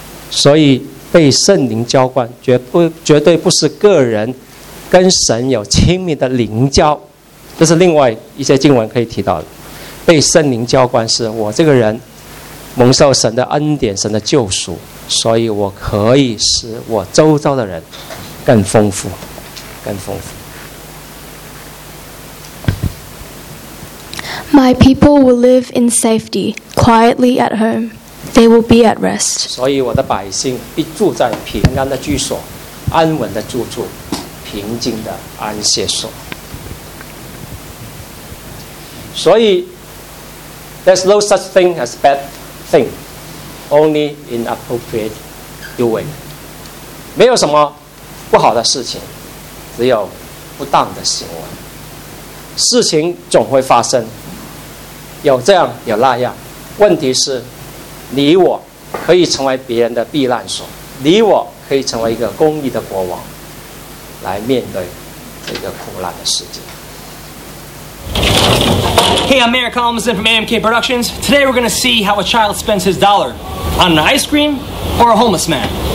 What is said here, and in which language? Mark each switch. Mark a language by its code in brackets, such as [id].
[zh] 所以被圣灵浇灌 绝对不是个人跟神有亲密的灵交，这是另外一些经文可以提到的。被圣灵浇灌是我这个人蒙受神的恩典、神的救赎，所以我可以使我周遭的人更丰富、更丰富。 [en] My people will live in safety, quietly at homeThey will be at rest. [zh] 所以我的百姓必住在平安的居所，安稳的住处，平静的安歇所。所以 [en] ，there's no such thing as bad thing, only in appropriate doing. [zh] 没有什么不好的事情，只有不当的行为。事情总会发生，有这样有那样，问题是。你我可以成为别人的避难所，你我可以成为一个公义的国王，来面对这个苦难的世界。 [en] Hey, I'm Mayor Collinson from AMK Productions. Today we're going to see how a child spends his dollar on an ice cream or a homeless man.